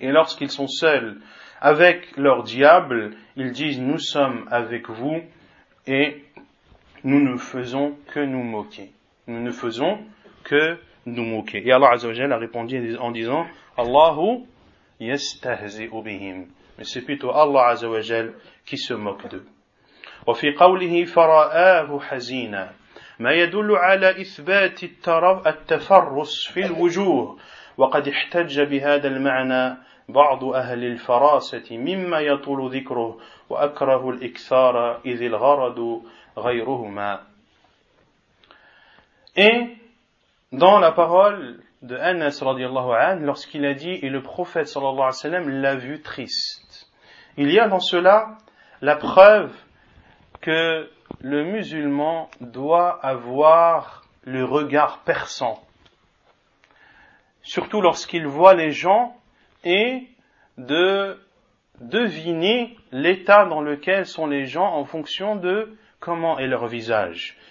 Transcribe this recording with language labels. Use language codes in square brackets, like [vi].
[fr] Et lorsqu'ils sont seuls avec leur diable, ils disent « Nous sommes avec vous et nous ne faisons que nous moquer ». Nous ne faisons que nous moquer. Et Allah Azzawajal a répondu en disant « [ar] Allahu yastahzi'u bihim ». [fr] Mais c'est plutôt Allah Azzawajal qui se moque d'eux. [ar] « Wa fi qawlihi fara'ahu hazina » ما يدل على إثبات التفرس في الوجوه وقد احتج بهذا المعنى بعض أهل الفراسة مما يطول ذكره وأكره الإكثار إذ الغرض غيرهما. [fr] Et dans la parole de Anas [ar] رضي الله عنه, [fr] lorsqu'il a dit, et le prophète [ar] صلى الله عليه وسلم [fr] l'a vu triste, il y a dans cela la preuve que le musulman doit avoir le regard perçant, surtout lorsqu'il voit les gens, et de deviner l'état dans lequel sont les gens en fonction de comment est leur visage.